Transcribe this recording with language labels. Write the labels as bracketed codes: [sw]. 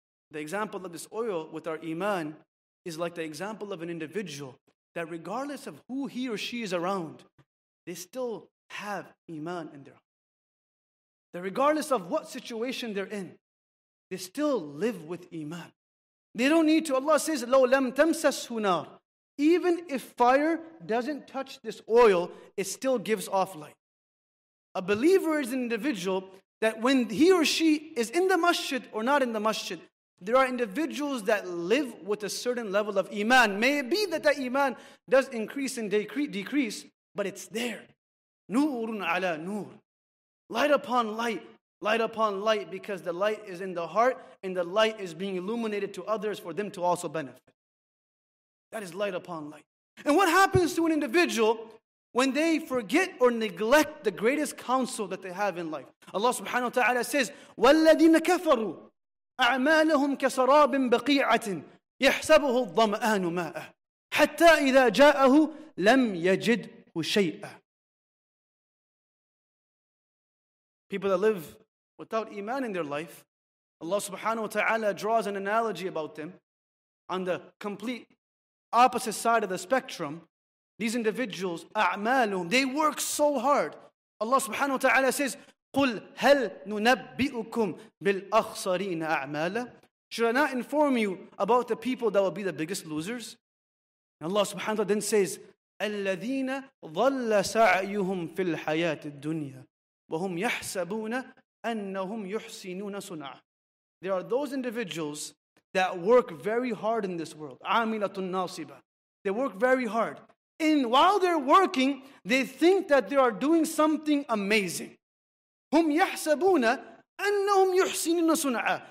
[en] The example of this oil with our iman is like the example of an individual that regardless of who he or she is around, they still have iman in their heart. That regardless of what situation they're in, they still live with iman. They don't need to. Allah says, [ar] لَوْ لَمْ تَمْسَسْهُ نَارٍ. [en] Even if fire doesn't touch this oil, it still gives off light. A believer is an individual that when he or she is in the masjid or not in the masjid, there are individuals that live with a certain level of iman. May it be that iman does increase and decrease, but it's there. [ar] Nurun ala nur. [en] Light upon light. Light upon light because the light is in the heart and the light is being illuminated to others for them to also benefit. That is light upon light. And what happens to an individual when they forget or neglect the greatest counsel that they have in life? Allah subhanahu wa ta'ala says, [ar] وَالَّذِينَ كَفَرُوا أَعْمَالَهُمْ كَسَرَابٍ بَقِيعَةٍ يَحْسَبُهُ الظَّمْآنُ مَاءً حَتَّى إِذَا جَاءَهُ لَمْ يَجِدْهُ شَيْئًا. [en] People that live without iman in their life, Allah subhanahu wa ta'ala draws an analogy about them on the complete opposite side of the spectrum. These individuals, [ar] أعمالهم, [en] they work so hard. Allah subhanahu wa ta'ala says, [ar] قُلْ هَلْ نُنَبِّئُكُمْ بِالْأَخْسَرِينَ أَعْمَالًا. [en] Should I not inform you about the people that will be the biggest losers? And Allah subhanahu wa ta'ala then says, [ar] الَّذِينَ ظَلَّ سَعْيُهُمْ فِي الْحَيَاةِ الدُّنْيَا وَهُمْ يَحْسَبُونَ أَنَّهُمْ يُحْسِنُونَ صُنْعًا. [en] There are those individuals that work very hard in this world. [ar] عَامِلَةٌ نَاصِبَةٌ. [en] They work very hard. And while they're working, they think that they are doing something amazing. [ar] هُمْ يَحْسَبُونَ أَنَّهُمْ يُحْسِنُونَ صُنْعًا.